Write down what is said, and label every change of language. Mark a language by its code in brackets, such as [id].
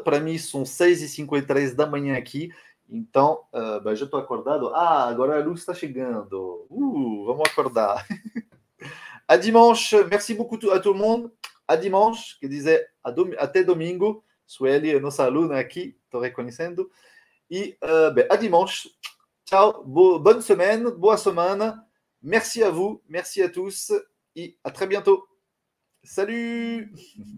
[pt] Para mim, são 6h53 da manhã aqui. Então, já estou acordado. Ah, agora a luz está chegando. Vamos acordar. [fr] À dimanche, merci beaucoup à tout le monde. À dimanche, que disait [pt] até domingo. Sueli, nossa aluna aqui, estou reconhecendo. [fr] E à dimanche. Ciao, bonne semaine, [pt] boa semana. [fr] Merci à vous, merci à tous et à très bientôt. Salut!